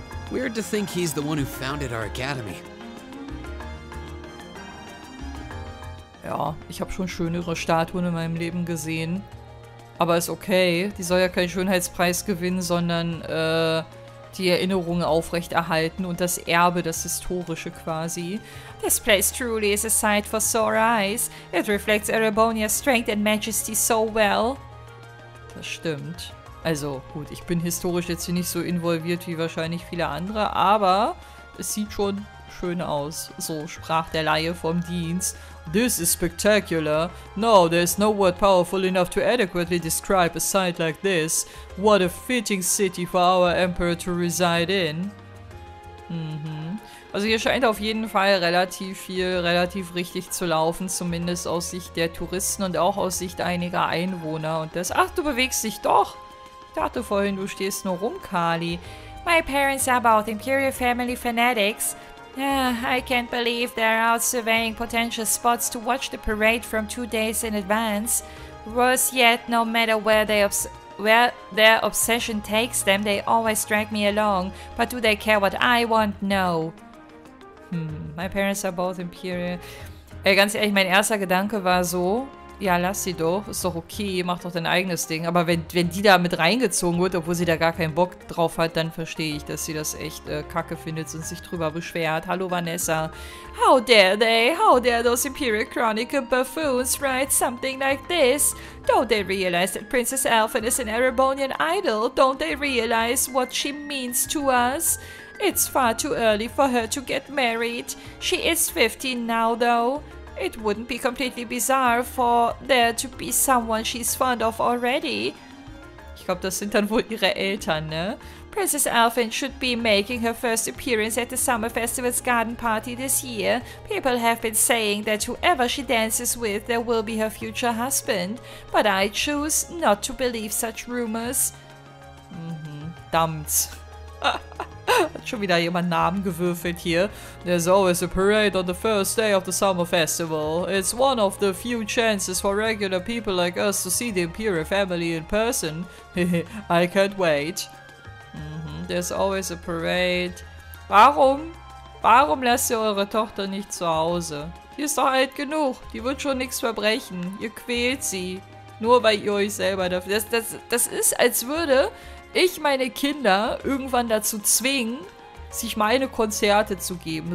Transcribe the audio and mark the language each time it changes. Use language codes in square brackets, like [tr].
[en] Weird to think he's the one who founded our academy. [de] Ja, ich habe schon schönere Statuen in meinem Leben gesehen. Aber ist okay. Die soll ja keinen Schönheitspreis gewinnen, sondern, die Erinnerungen aufrechterhalten und das Erbe, das Historische quasi. [en] This place truly is a sight for sore eyes. It reflects Erebonia's strength and majesty so well. [de] Das stimmt. Also gut, ich bin historisch jetzt hier nicht so involviert wie wahrscheinlich viele andere, aber es sieht schon schön aus. So sprach der Laie vom Dienst. [en] This is spectacular. No, there is no word powerful enough to adequately describe a sight like this. What a fitting city for our emperor to reside in. Mhm. [de] Also hier scheint auf jeden Fall relativ richtig zu laufen. Zumindest aus Sicht der Touristen und auch aus Sicht einiger Einwohner. Und das... Ach, du bewegst dich doch. Ich dachte vorhin, du stehst nur rum, Kali. [en] My parents are both Imperial Family Fanatics. I can't believe they're out surveying potential spots to watch the parade from 2 days in advance. Worse yet, no matter where they where their obsession takes them, they always drag me along. But do they care what I want? No. My parents are both imperial. [de] Ganz ehrlich, mein erster Gedanke war so, ja, lass sie doch, ist doch okay, mach doch dein eigenes Ding. Aber wenn die da mit reingezogen wird, obwohl sie da gar keinen Bock drauf hat, dann verstehe ich, dass sie das echt kacke findet und sich drüber beschwert. Hallo Vanessa. [en] How dare they? How dare those Imperial Chronicle buffoons write something like this? Don't they realize that Princess Alphen is an Erebonian idol? Don't they realize what she means to us? It's far too early for her to get married. She is 15 now, though. It wouldn't be completely bizarre for there to be someone she's fond of already. [de] Ich glaube, das sind dann wohl ihre Eltern, ne? [en] Princess Alphen should be making her first appearance at the Summer Festival's garden party this year. People have been saying that whoever she dances with, there will be her future husband. But I choose not to believe such rumors. [de] Dammt. Hat schon wieder jemand Namen gewürfelt hier. [en] There's always a parade on the first day of the Summer Festival. It's one of the few chances for regular people like us to see the Imperial family in person. I can't wait. There's always a parade. [de] Warum lasst ihr eure Tochter nicht zu Hause? Die ist doch alt genug. Die wird schon nichts verbrechen. Ihr quält sie. Nur weil ihr euch selber dafür... Das ist, als würde ich meine Kinder irgendwann dazu zwingen, sich meine Konzerte zu geben.